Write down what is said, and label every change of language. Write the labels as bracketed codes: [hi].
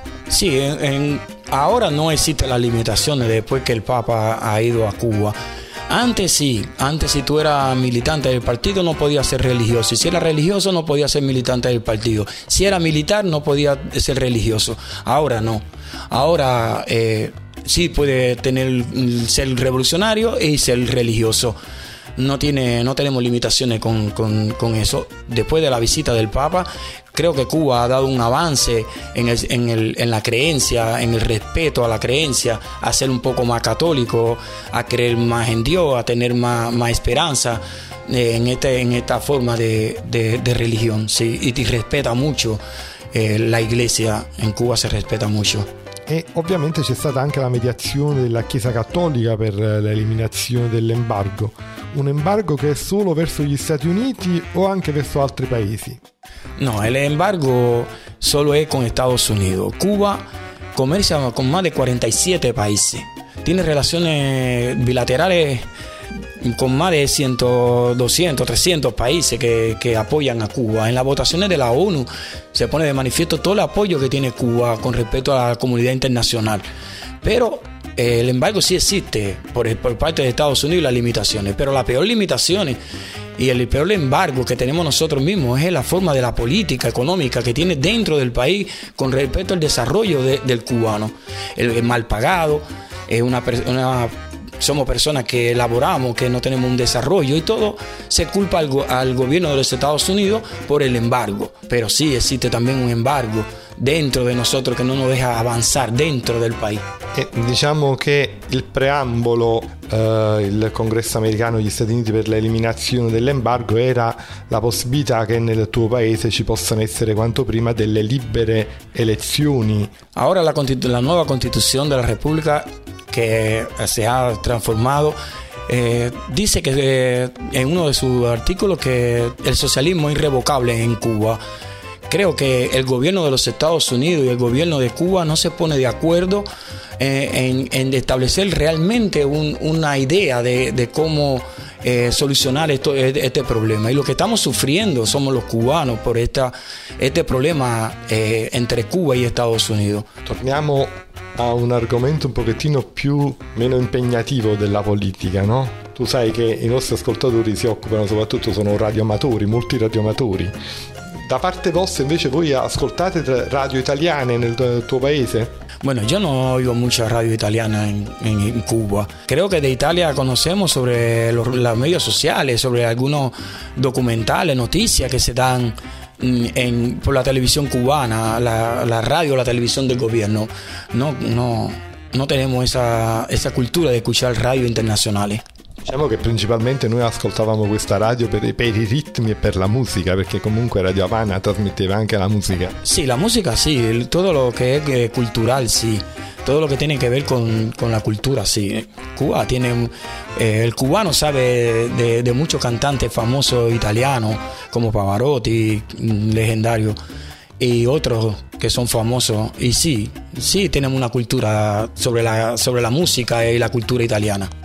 [it] Sì, ora non esiste la limitazione dopo che il Papa [es] ha ido [it] a Cuba. [es] Antes si tú eras militante del partido no podías ser religioso, si eras religioso no podías ser militante del partido, si era militar no podías ser religioso. Ahora no, ahora sí puede tener ser revolucionario y ser religioso. No tenemos limitaciones con eso. Después de la visita del Papa, creo que Cuba ha dado un avance en la creencia, en el respeto a la creencia, a ser un poco más católico, a creer más en Dios, a tener más esperanza en esta forma de religión. Sí, y respeta mucho la iglesia. En Cuba se respeta mucho. [it] E ovviamente c'è stata anche la mediazione della Chiesa Cattolica per l'eliminazione dell'embargo. Un embargo che è solo verso gli Stati Uniti o anche verso altri paesi? No, l'embargo solo è con Stati Uniti. Cuba commercia con più di 47 paesi. Tiene relazioni bilaterali con più di 100, 200, 300 paesi che appoggiano a Cuba. In la votazione della ONU si pone di manifiesto tutto l'appoggio che tiene Cuba con rispetto alla comunità internazionale. Però l'embargo sì esiste per parte degli Stati Uniti, le limitazioni. Però la peor limitazione e il peor embargo che abbiamo noi stessi è la forma della politica economica che tiene dentro del paese [es] con rispetto al desarrollo del cubano. [it] Il mal pagato è una [es] somos personas que elaboramos, que no tenemos un desarrollo y todo se culpa al gobierno de los Estados Unidos por el embargo. Pero sí existe también un embargo dentro de nosotros que no nos deja avanzar dentro del país. [it] Diciamo che il preambolo, il congresso americano degli Stati Uniti per l'eliminazione dell'embargo era la possibilità che nel tuo paese ci possano essere quanto prima delle libere elezioni. Ora la nuova Costituzione della Repubblica [es] que se ha transformado, dice que en uno de sus artículos que el socialismo es irrevocable en Cuba. Creo que el gobierno de los Estados Unidos y el gobierno de Cuba no se pone de acuerdo en establecer realmente una idea de cómo solucionar este problema. Y lo que estamos sufriendo somos los cubanos por este problema entre Cuba y Estados Unidos. [it] Torniamos a un argomento un pochettino più meno impegnativo della politica, no? Tu sai che i nostri ascoltatori si occupano soprattutto, sono radioamatori, molti radioamatori. Da parte vostra invece voi ascoltate radio italiane nel tuo paese? [es] Bueno, yo no oigo mucha radio italiana en Cuba. Creo que de Italia conocemos sobre los medios sociales, sobre algunos documentales, noticias que se dan por la televisión cubana, la radio, la televisión del gobierno. No tenemos esa cultura de escuchar radio internacionales. [it] Diciamo che principalmente noi ascoltavamo questa radio per i ritmi e per la musica, perché comunque Radio Havana trasmetteva anche la musica. Sì, la musica sì, tutto lo che è culturale sì, tutto lo che tiene a che vedere con la cultura sì. Cuba tiene, il cubano sa di molti cantanti famosi italiani come Pavarotti, leggendario, e altri che sono famosi, e sì, sì, abbiamo una cultura sobre la musica e la cultura italiana.